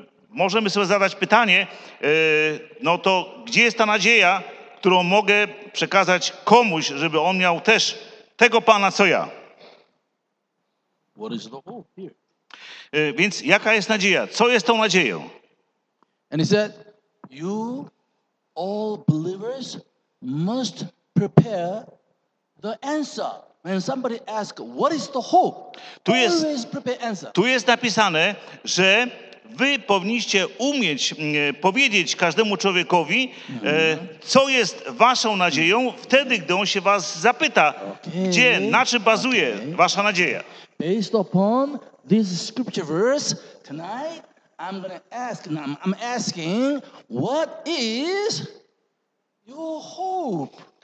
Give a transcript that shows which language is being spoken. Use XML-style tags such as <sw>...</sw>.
<pl>Możemy sobie zadać pytanie, no to gdzie jest ta nadzieja, którą mogę przekazać komuś, żeby on miał też tego Pana, co ja?</pl> <en>What is the hope here?</en> <pl>Więc jaka jest nadzieja? Co jest tą nadzieją?</pl> <en>And he said, you all believers must prepare the answer. When somebody asks, what is the hope? Always prepare answer.</en> <pl>Tu jest napisane, że wy powinniście umieć powiedzieć każdemu człowiekowi, co jest waszą nadzieją, wtedy, gdy on się was zapyta, gdzie, na czym bazuje wasza nadzieja.</pl> <en>Based upon this scripture verse, tonight I'm going to ask, I'm asking, what is your hope?</en>